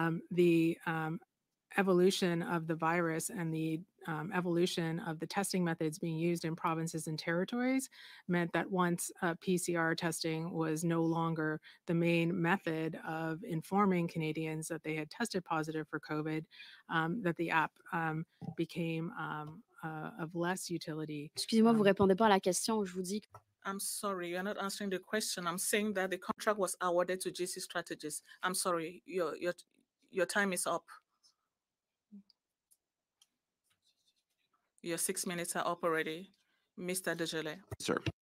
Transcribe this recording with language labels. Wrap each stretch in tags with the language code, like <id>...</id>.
<en>The evolution of the virus and the evolution of the testing methods being used in provinces and territories meant that once PCR testing was no longer the main method of informing Canadians that they had tested positive for COVID, that the app became of less utility.</en> <fr>Excusez-moi, vous répondez pas à la question, je vous dis que...</fr> <en>I'm sorry, you're not answering the question. I'm saying that the contract was awarded to GC Strategies. I'm sorry, your time is up. Your 6 minutes are up already, Mr. Desjolais. Sir.</en>